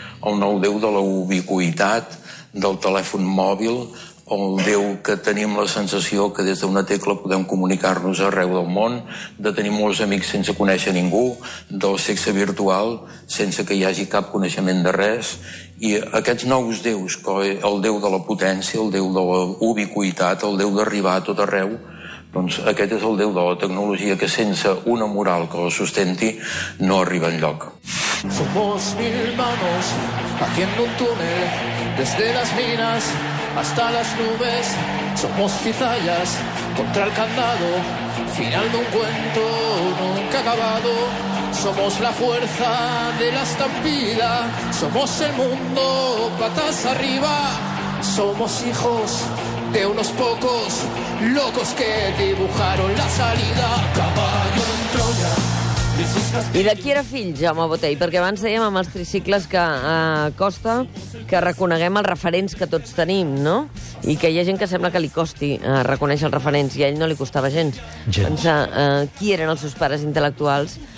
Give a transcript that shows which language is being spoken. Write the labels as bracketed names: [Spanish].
[Catalan] El nou déu de la ubiqüitat, del telèfon mòbil, el déu que tenim la sensació que des d'una tecla podem comunicar-nos arreu del món, de tenir molts amics sense conèixer ningú, del sexe virtual sense que hi hagi cap coneixement de res. I aquests nous déus, el déu de la potència, el déu de la ubiqüitat, el déu d'arribar a tot arreu, doncs aquest és el déu de la tecnologia que sense una moral que la sustenti no arriba enlloc. [Spanish] Somos mil manos haciendo un túnel desde las minas hasta las nubes. Somos cizallas contra el candado, final de un cuento nunca acabado. Somos la fuerza de la estampida, somos el mundo patas arriba. Somos hijos de unos pocos locos que dibujaron la salida. Caballo en Troya. [Catalan] I de qui era fill Jaume Botey? Perquè abans dèiem amb els tricicles que costa que reconeguem els referents que tots tenim, no? I que hi ha gent que sembla que li costi reconèixer els referents, i a ell no li costava gens. Pensar qui eren els seus pares intel·lectuals